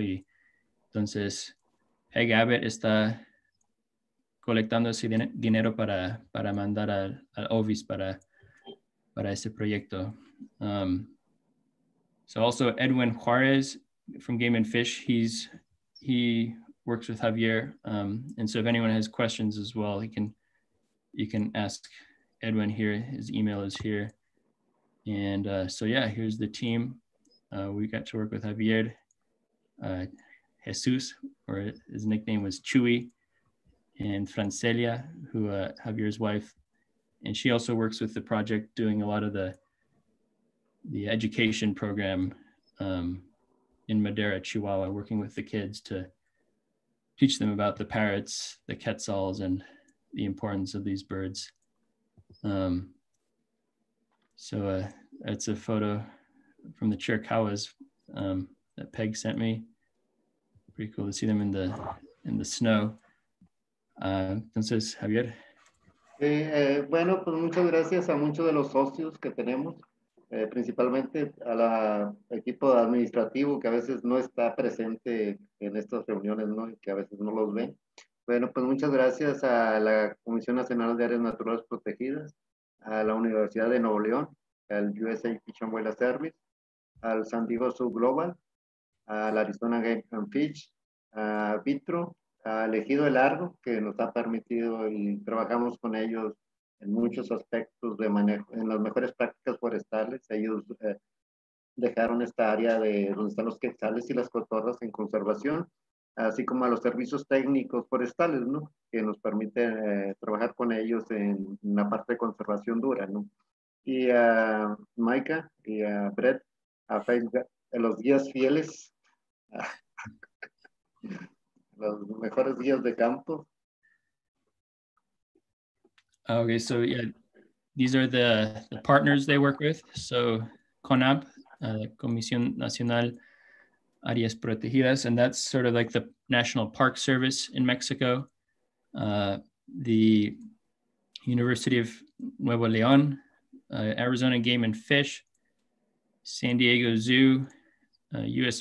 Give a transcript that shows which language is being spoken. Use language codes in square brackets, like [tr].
[es] Y entonces Peg Abbott está colectando ese dinero para mandar al OVIS para ese proyecto. [en] So also Edwin Juarez from Game and Fish. He works with Javier. And so if anyone has questions as well, you can ask Edwin here. His email is here. And so yeah, here's the team. We got to work with Javier, Jesus, or his nickname was Chewy, and Francelia, who Javier's wife. And she also works with the project doing a lot of the education program in Madera, Chihuahua, working with the kids to teach them about the parrots, the quetzals, and the importance of these birds. That's a photo from the Chiricahuas that Peg sent me. Pretty cool to see them in the snow. [es] Entonces, Javier. Bueno, pues muchas gracias a muchos de los socios que tenemos, principalmente a la equipo administrativo que a veces no está presente en estas reuniones, ¿no? Y que a veces no los ven. Bueno, pues muchas gracias a la Comisión Nacional de Áreas Naturales Protegidas, a la Universidad de Nuevo León, al USA Fish and Wildlife Service, al San Diego Zoo Global, al Arizona Game and Fish, a Vitro, al Ejido El Largo, que nos ha permitido y trabajamos con ellos en muchos aspectos de manejo, en las mejores prácticas forestales. Ellos dejaron esta área de donde están los quetzales y las cotorras en conservación, así como a los servicios técnicos forestales, ¿no? Que nos permiten trabajar con ellos en la parte de conservación dura, ¿no? Y a Micah y a Brett, a Facebook, a los guías fieles, los mejores guías de campo. [en] Okay, so yeah, these are the partners they work with. So CONAP, Comisión Nacional Áreas Protegidas, and that's sort of like the National Park Service in Mexico. The University of Nuevo León, Arizona Game and Fish, San Diego Zoo, U.S.